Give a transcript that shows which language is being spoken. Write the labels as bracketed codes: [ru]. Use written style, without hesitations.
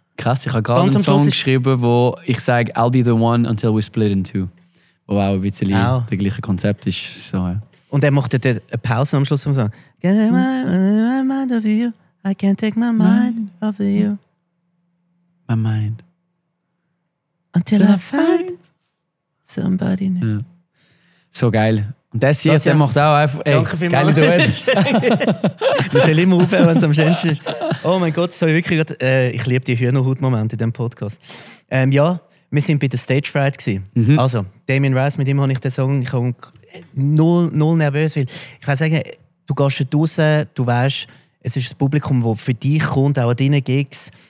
[de] Krass, ich habe gerade einen Song geschrieben, wo ich sage, [en] I'll be the one until we split in two. [de] Wo auch ein bisschen der gleiche Konzept ist. So, ja. Und er macht dort eine Pause am Schluss und sagt, [en] can't take my mind off of you. I can't take my mind off of you. My mind. Until I find somebody new. Ja. [de] So geil. Und das hier, der macht auch einfach... Ey, danke vielmals. Geile Duett. Man soll immer aufhören, wenn es am schönsten ist. Oh mein Gott, sorry, wirklich gerade, ich liebe die Hühnerhaut-Momente in diesem Podcast. Ja, wir waren bei der Stage Fright. Mhm. Also, Damien Rice, mit ihm habe ich den Song... Ich null, null nervös, weil ich weiß sagen, du gehst da raus, du weißt, es ist das Publikum, das für dich kommt, auch an deinen Gigs.